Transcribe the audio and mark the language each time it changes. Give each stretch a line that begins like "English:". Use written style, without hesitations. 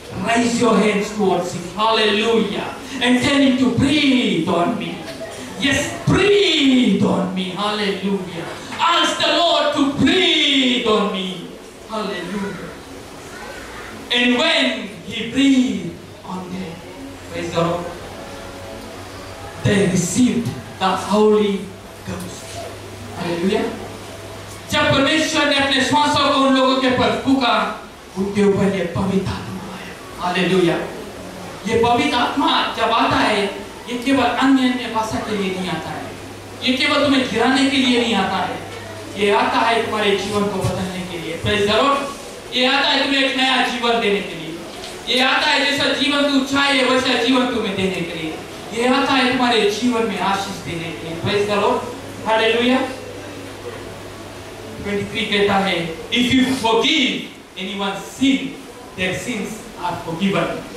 English: Raise your hands towards Him. Hallelujah. And tell Him to breathe on me. Yes, breathe on me. Hallelujah. Ask the Lord to to breathe on me. Hallelujah. And when he breathed on them, praise the Lord, they received the Holy Ghost. Hallelujah.
Hindi: जब परमेश्वर ने अपने श्वासों को उन लोगों के ऊपर फूंका, उनके ऊपर ये पवित्र आत्मा आया। हालेलुया। ये पवित्र आत्मा जब आता है, ये केवल अन्य अन्य भाषा के लिए नहीं आता है, ये केवल तुम्हें गिराने के लिए नहीं आता है, ये आता है तुम्हारे जीवन को बदलने के लिए।
English: Praise the Lord.
Hindi: ये आता है तुम्हें एक नया जीवन देने के लिए, ये आता है जैसा जीवन तू चाहे वैसा जीवन तुम्हें देने के लिए, ये आता है तुम्हारे जीवन में आशीष देने के लिए।
English: Praise the Lord. Hallelujah.
Hindi: 23 कहता है,
English: if you forgive anyone's sin, their sins are forgiven.